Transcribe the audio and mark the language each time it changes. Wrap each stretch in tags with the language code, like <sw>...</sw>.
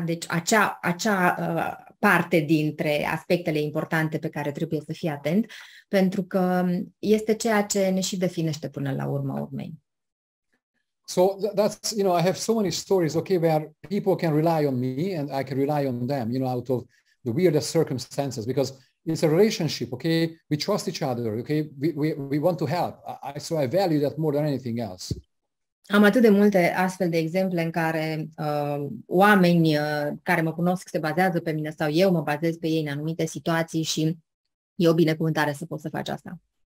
<ro>Deci acea parte dintre aspectele importante pe care trebuie să fii atent, pentru că este ceea ce ne și definește până la urmă urmei.</ro> <en>So that's, you know, I have so many stories, okay, where people can rely on me and I can rely on them, you know, out of the weirdest circumstances, because it's a relationship, okay? We trust each other, okay? We want to help. So I value that more than anything else.</en> <ro>Am atât de multe astfel de exemple în care oameni care mă cunosc se bazează pe mine sau eu mă bazez pe ei în anumite situații și e o binecuvântare să pot să fac asta.</ro>